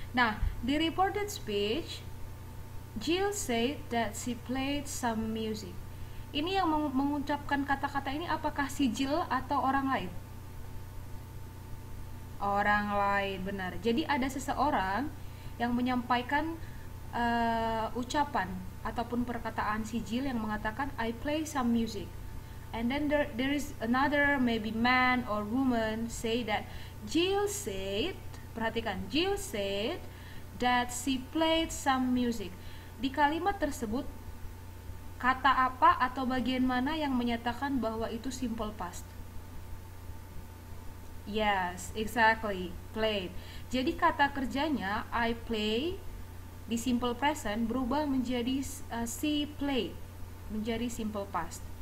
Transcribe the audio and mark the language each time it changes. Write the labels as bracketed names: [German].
[English] Nah, the reported speech Jill said that she played some music. [Indonesian] Ini yang mengucapkan kata-kata ini apakah si Jill atau orang lain? Orang lain, benar. Jadi ada seseorang yang menyampaikan ucapan ataupun perkataan si Jill yang mengatakan [English] I play some music. And then there is another maybe man or woman say that Jill said, [Indonesian] perhatikan, [English] Jill said that she played some music. [Indonesian] Di kalimat tersebut kata apa atau bagian mana yang menyatakan bahwa itu simple past? [English] Yes, exactly. Played. [Indonesian] Jadi kata kerjanya I play di simple present berubah menjadi she played, menjadi simple past.